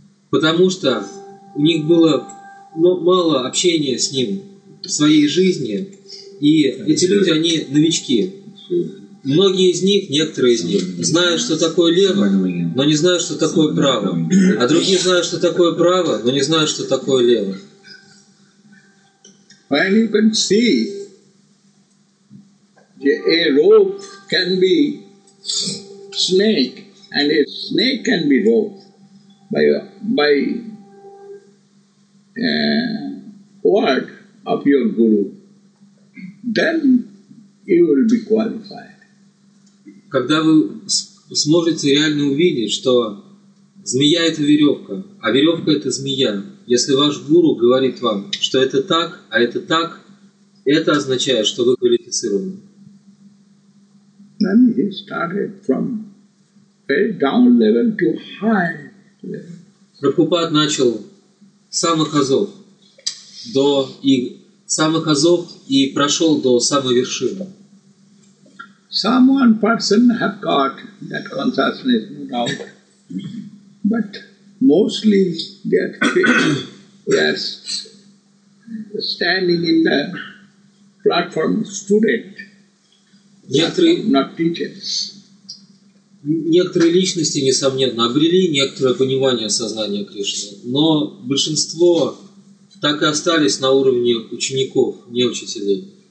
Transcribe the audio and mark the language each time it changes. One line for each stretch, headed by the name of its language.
Russian: Потому что у них было мало общения с ним в своей жизни. И эти люди, они новички. Многие из них, некоторые из них, знают, что такое лево, но не знают, что такое право. А другие знают, что такое право, но не знают, что такое лево.
English: When you can see that a rope can be snake and a snake can be rope by word of your guru, then you will be qualified.
Russian: Когда вы сможете реально увидеть, что змея – это веревка, а веревка – это змея, если ваш гуру говорит вам, что это так, а это так, это означает, что вы квалифицированы.
English: Then he started from very down level to high level.
Russian: Прабхупад начал с самых азов и прошел до самой вершины.
English: Some one person have got that consciousness, no doubt. But mostly standing in the platform student, not teachers.
Russian: Некоторые личности, несомненно, обрели некоторое понимание сознания Кришны, но большинство так и остались на уровне учеников, не учителей.